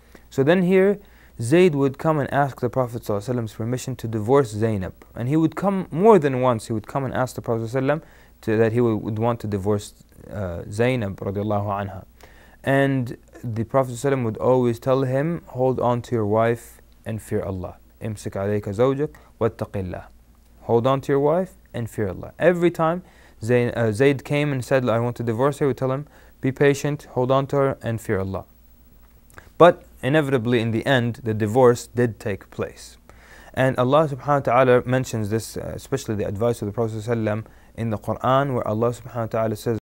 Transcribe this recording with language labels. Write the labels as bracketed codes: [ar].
[en] So then here, Zayd would come and ask the Prophet ﷺ's permission to divorce Zainab. And he would come more than once, he would come and ask the Prophet ﷺ that he would want to divorce Zainab [ar] radiallahu anha. [en] And the Prophet ﷺ would always tell him, hold on to your wife and fear Allah. [ar] امسك عليك زوجك واتق الله. [en] Hold on to your wife and fear Allah. Every time Zayd came and said, I want to divorce her, he would tell him, be patient, hold on to her and fear Allah. But inevitably in the end, the divorce did take place. And Allah subhanahu wa ta'ala mentions this, especially the advice of the Prophet ﷺ in the Quran, where Allah subhanahu wa ta'ala says,